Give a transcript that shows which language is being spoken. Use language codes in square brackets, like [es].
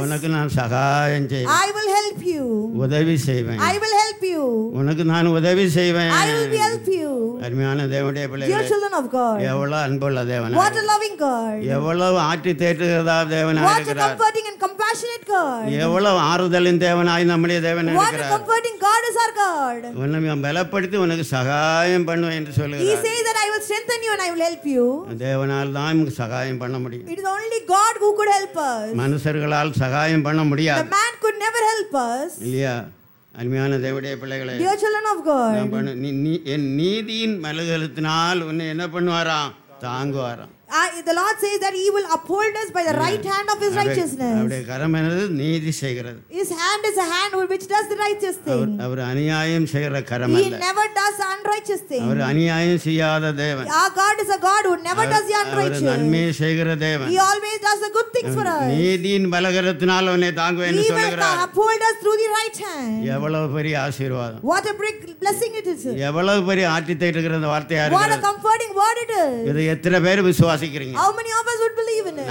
[ta] உனக்கு நான் சகாயம் செய்வேன். [en] I will help you. [ta] உதவி செய்வேன். [en] I will help you. [ta] உனக்கு நான் உதவி செய்வேன். [en] I will help you. [ta] அருமையான தேவனுடைய பிள்ளைகளே, [en] dear children of God, [ta] எவ்வளவு அன்புள்ள தேவன். [en] What a loving God. [ta] எவ்வளவு ஆற்றி தேற்றுகிறதா தேவனாய். [en] What a comforting and compassionate God. [ta] எவ்வளவு ஆறுதலின் தேவனாய் நம்முடைய தேவன் இருக்கிறார். [en] What a comforting God is our God. [ta] உன்னை பலப்படுத்தி உனக்கு சகாயம் பண்ணுவேன் என்று சொல்கிறார். [en] He says that I will strengthen you and I will help you. [ta] தேவனால் தான் உனக்கு சகாயம் பண்ண முடியும். [en] It is only God who could help us. [ta] மனுஷர்களால் சகாயம் பண்ண முடியாது. [en] The man could never help us. [ta] இல்லையா? அருமையான தேவனுடைய பிள்ளைகளே, dear [en] children of God, [ta] என் நீதியின் மலகலத்தினால் உன்னை என்ன பண்ணுவாராம்? தாங்குவாராம். [en] The Lord says that he will uphold us by the right hand of his righteousness. [ta] அவருடைய கரம் என்பது நீதி செய்கிறது. [en] His hand is a hand which does the righteous thing. [ta] அவர் அநியாயம் செய்கிற கரம் அல்ல. [en] He never does unrighteous thing. [ta] அவர் அநியாயம் செய்யாத தேவன். [en] Our God is a God who never does the unrighteous. [ta] அவர் நன்மை செய்கிற தேவன். [en] He always does the good things for us. [ta] நீதியின் பலகரத்தினால் அவனை தாங்குவேன் என்று சொல்கிறார். [en] He will uphold us through the right hand. [ta] எவ்வளவு பெரிய ஆசீர்வாதம். [en] What a big blessing it is. [ta] எவ்வளவு பெரிய ஆற்றி தேற்றுகிற வார்த்தையா இருக்கிறது. [en] What a comforting word it is. [ta] இது எத்தனை பேர் விசுவாசம். [en] How many of us would believe in it?